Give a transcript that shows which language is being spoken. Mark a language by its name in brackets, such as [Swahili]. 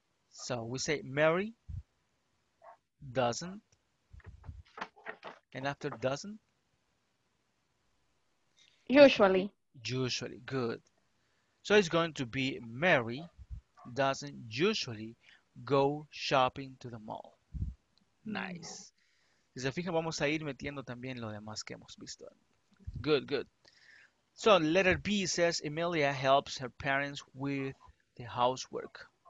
[English] So we say Mary doesn't, and after doesn't. Usually. Good. So it's going to be Mary doesn't usually go shopping to the mall. Nice. [Spanish] Si se fijan, vamos a ir metiendo también lo demás que hemos visto. [English] Good, good. So letter B says Emilia helps her parents with the housework.